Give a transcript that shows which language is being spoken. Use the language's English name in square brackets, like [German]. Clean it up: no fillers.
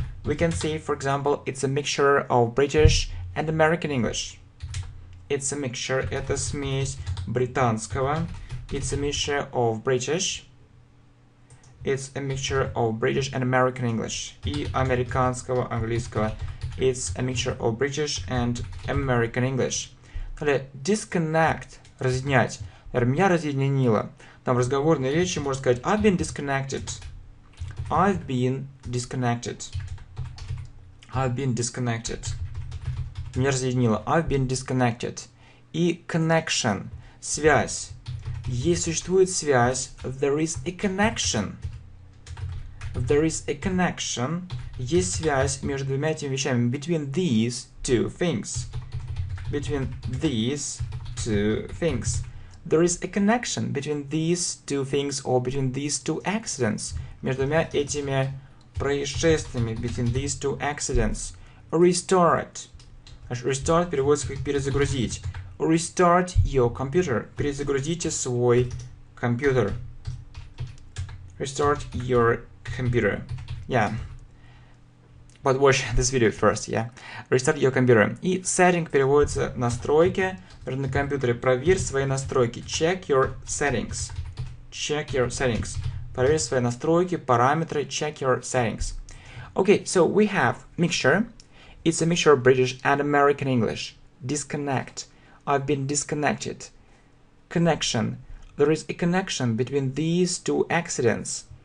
[English] We can see, for example, it's a mixture of British and American English. It's a mixture. [Russian] Это смесь британского. [English] It's a mixture of British. It's a mixture of British and American English. [Russian] И американского, английского. [English] It's a mixture of British and American English. [Russian] Далее, disconnect. Разъединять. Например, меня разъединило. Там в разговорной речи можно сказать [English] I've been disconnected. I've been disconnected. I've been disconnected. [Russian] Меня разъединило. [English] I've been disconnected. [Russian] И connection. Связь. Если существует связь, [English] there is a connection. There is a connection. [Russian] Есть связь между двумя этими вещами. [English] Between these two things. Between these two things. There is a connection between these two things or between these two accidents. [Russian] Между двумя этими происшествиями. [English] Between these two accidents. Restart. Restart [Russian] переводится как перезагрузить. [English] Restart your computer. [Russian] Перезагрузите свой компьютер. [English] Restart your computer. Yeah. But watch this video first, yeah. Restart your computer. [Russian] И setting переводится настройки. На компьютере проверь свои настройки. [English] Check your settings. Check your settings. [Russian] Проверь свои настройки, параметры. [English] Check your settings. Okay, so we have mixture. It's a mixture of British and American English. Disconnect. I've been disconnected. Connection. There is a connection between these two accidents.